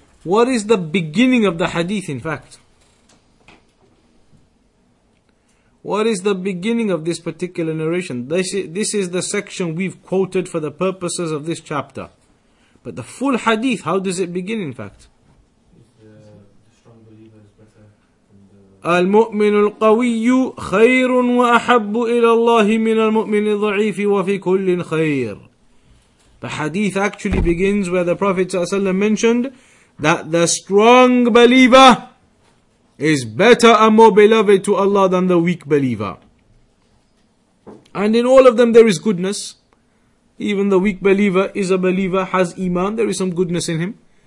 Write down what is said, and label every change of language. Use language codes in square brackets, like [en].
[en] What is the beginning of the hadith, in fact? What is the beginning of this particular narration? This is the section we've quoted for the purposes of this chapter. But the full hadith, how does it begin, in fact? [ar] المؤمن القوي خير وأحب إلى الله من المؤمن الضعيف وفي كل خير. [en] The hadith actually begins where the Prophet ﷺ mentioned that the strong believer is better and more beloved to Allah than the weak believer. And in all of them there is goodness. Even the weak believer is a believer, has iman, there is some goodness in him.